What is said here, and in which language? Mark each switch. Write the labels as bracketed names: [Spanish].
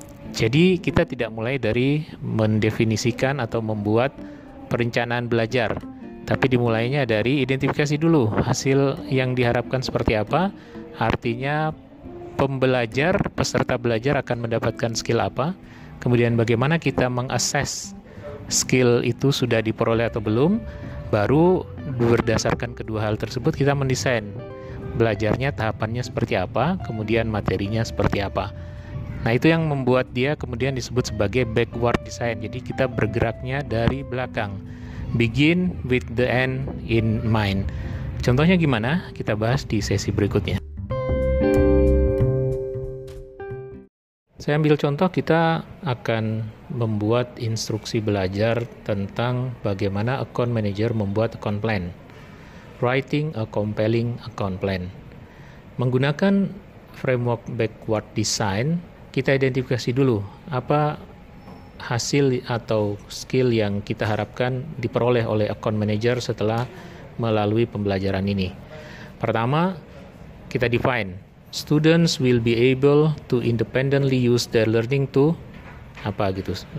[Indonesian] Jadi kita tidak mulai dari mendefinisikan atau membuat perencanaan belajar, tapi dimulainya dari identifikasi dulu hasil yang diharapkan seperti apa, artinya pembelajar, peserta belajar akan mendapatkan skill apa, kemudian bagaimana kita mengassess skill itu sudah diperoleh atau belum, baru berdasarkan kedua hal tersebut kita mendesain belajarnya, tahapannya seperti apa, kemudian materinya seperti apa. Nah, itu yang membuat dia kemudian disebut sebagai backward design. Jadi kita bergeraknya dari belakang. [English] Begin with the end in mind. [Indonesian] Contohnya gimana? Kita bahas di sesi berikutnya. Saya ambil contoh, kita akan membuat instruksi belajar tentang bagaimana account manager membuat account plan. [English] Writing a compelling account plan. [Indonesian] Menggunakan framework backward design, kita identifikasi dulu apa hasil atau skill yang kita harapkan diperoleh oleh account manager setelah melalui pembelajaran ini. Pertama, kita [English] define students will be able to independently use their learning to [Indonesian] apa gitu.